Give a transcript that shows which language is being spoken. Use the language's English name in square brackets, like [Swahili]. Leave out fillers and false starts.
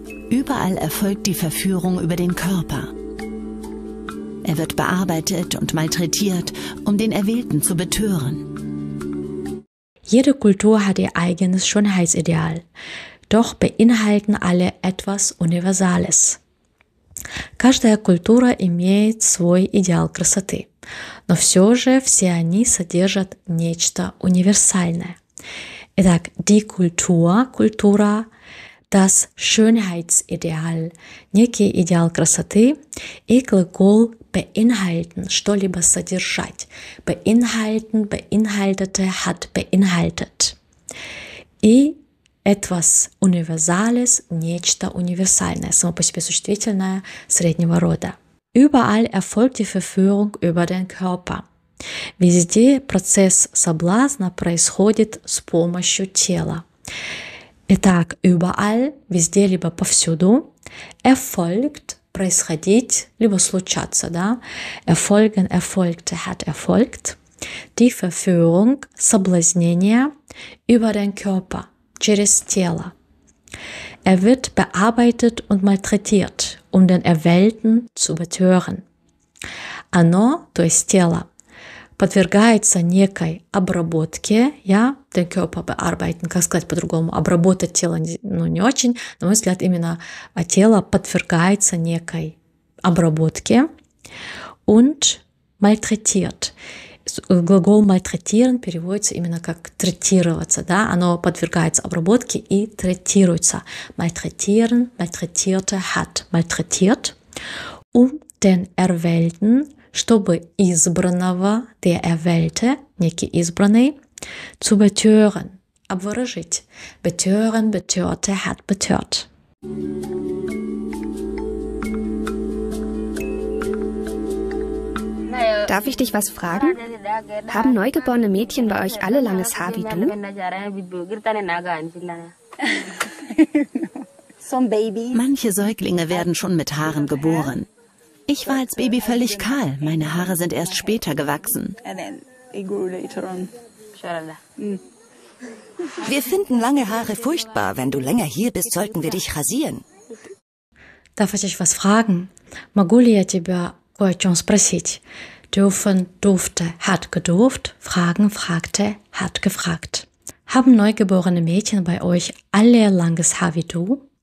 [German] Überall erfolgt die Verführung über den Körper. Er wird bearbeitet und malträtiert, um den Erwählten zu betören. Jede Kultur hat ihr eigenes Schönheitsideal. Doch beinhalten alle etwas Universales. [Russian] Каждая культура имеет свой идеал красоты. Но все же все они содержат нечто универсальное. Итак, die Kultur, Kultura, das Schönheitsideal, некий идеал красоты, и глагол beinhalten, что-либо содержать, beinhalten, beinhaltete, hat beinhaltet, и etwas Universales, нечто универсальное, само по себе существительное среднего рода. [German] Überall erfolgt die Verführung über den Körper. [Russian] Везде процесс соблазна происходит с помощью тела. Итак, überall, везде, либо повсюду, erfolgt, происходить, либо случаться, да, erfolgen, erfolgte, hat erfolgt, die Verführung, соблазнение, über den Körper, через тело. [German] Er wird bearbeitet und malträtiert, um den Erwählten zu betören. [Russian] Оно, то есть тело, подвергается некой обработке, я den Körper bearbeiten, как сказать по-другому, обработать тело, ну, не очень, на мой взгляд, именно тело подвергается некой обработке, und maltretiert. Глагол maltretieren переводится именно как третироваться, да, оно подвергается обработке и третируется. [German] Maltretieren, maltretierte, hat maltretiert, um den Erwählten, чтобы избранного, der Erwählte, некий избранный, zu betören, обворожить. Betören, betörte, hat betört. Darf ich dich was fragen? Haben neugeborene Mädchen bei euch alle langes Haar wie du? Manche Säuglinge werden schon mit Haaren geboren. Ich war als Baby völlig kahl. Meine Haare sind erst später gewachsen. Wir finden lange Haare furchtbar. Wenn du länger hier bist, sollten wir dich rasieren. Darf ich dich was fragen? [Russian] Могу ли я тебя кое-что спросить? [German] Dürfen, durfte, hat gedurft, fragen, fragte, hat gefragt. Haben neugeborene Mädchen bei euch alle langes Haar wie du?